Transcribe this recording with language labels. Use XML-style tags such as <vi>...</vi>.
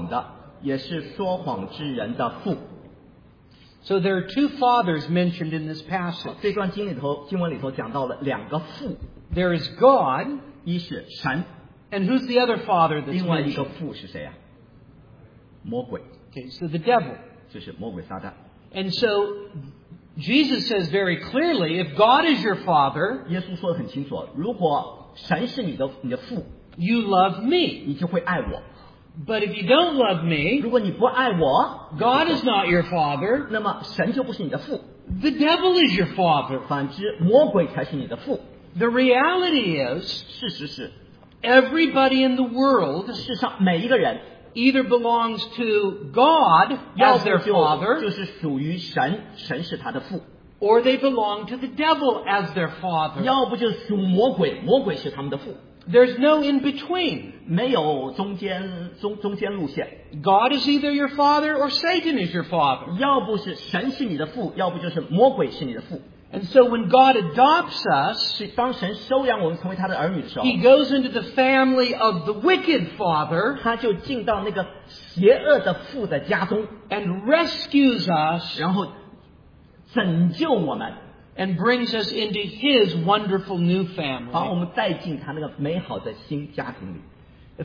<zh>无非是因你们不能听我的道，你们是出于你们的父魔鬼，你们的父的私欲，你们偏要行。他从起初是说杀人的，不守真理，因他心里没有真理。他说谎是出于自己，因他本来是说谎的，也是说谎之人的父。</zh> <en>So there are two fathers mentioned in this passage.</en> <zh>这段经里头讲到了两个父。</zh> <en>There is God.</en> <zh>一是神。</zh> <en>And who's the other father that's mentioned?</en> <zh>另外一个父是谁啊?魔鬼。</zh> <en>Okay, so the devil.</en> <zh>就是魔鬼撒旦。</zh> <en>And so Jesus says very clearly, if God is your father,</en> <zh>耶稣说得很清楚, 如果神是你的父,</zh> <en>you love me.</en> <zh>你就会爱我。</zh> <en>But if you don't love me,</en> <zh>如果你不爱我,</zh> <en>God is not your father.</en> <zh>那么神就不是你的父,</zh> <en>the devil is your father.</en> <zh>反之,魔鬼才是你的父,</zh> <en>the reality is,</en> <zh>事实是,</zh> <en>everybody in the world</en> <zh>世上每一个人,</zh> <en>either belongs to God as their father,</en> <zh>就是属于神, 神是他的父,</zh> <en>or they belong to the devil as their father.</en> <zh>要不就属魔鬼, 魔鬼是他们的父,</zh> <en>There's no in between.</en> <zh>没有中间路线。</zh> <en>God is either your father or Satan is your father.</en> <zh>要不是神是你的父, 要不就是魔鬼是你的父。</zh> <en>And so when God adopts us,</en> <zh>当神收养我们成为他的儿女的时候,</zh> <en>He goes into the family of the wicked father,</en> <zh>他就进到那个邪恶的父的家中,</zh> <en>and rescues us,</en> <zh>然后拯救我们。</zh> <en>And brings us into his wonderful new family.</en> <zh>把我们带进他那个美好的新家庭里。</zh>